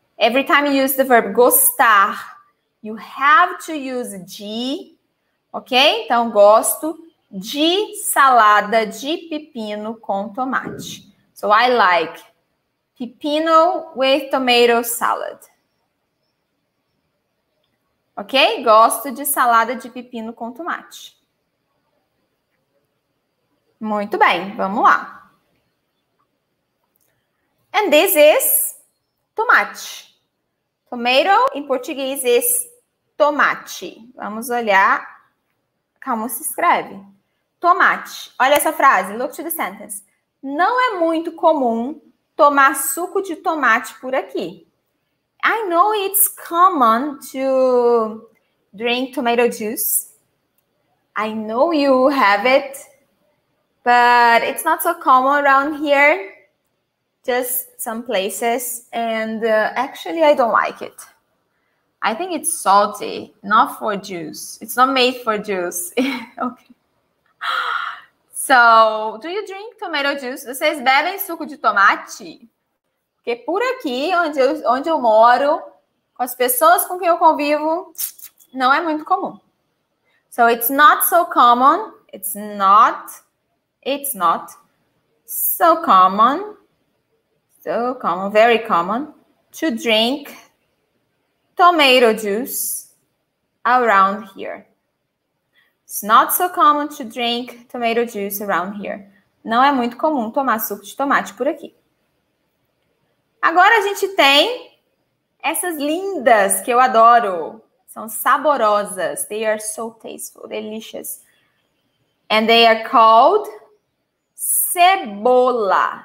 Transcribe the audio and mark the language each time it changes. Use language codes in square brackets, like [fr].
[en] Every time you use the verb gostar, you have to use de, ok? [pt] Então, gosto de salada de pepino com tomate. [en] So, I like pepino with tomato salad. [pt] Ok? Gosto de salada de pepino com tomate. Muito bem, vamos lá. [en] And this is tomate. Tomato, em português, is tomate. [pt] Vamos olhar como se escreve. Tomate. Olha essa frase. [en] Look to the sentence. [pt] Não é muito comum tomar suco de tomate por aqui. [en] I know it's common to drink tomato juice. I know you have it, but it's not so common around here. Just some places, and actually I don't like it. I think it's salty, not for juice. It's not made for juice. Okay. So, do you drink tomato juice? [pt] Vocês bebem suco de tomate? Porque por aqui, onde eu moro, com as pessoas com quem eu convivo, não é muito comum. [en] So, it's not so common. It's not so common. So common, very common, to drink tomato juice around here. It's not so common to drink tomato juice around here. [pt] Não é muito comum tomar suco de tomate por aqui. Agora a gente tem essas lindas que eu adoro. São saborosas. [en] They are so tasteful, delicious. And they are called cebola.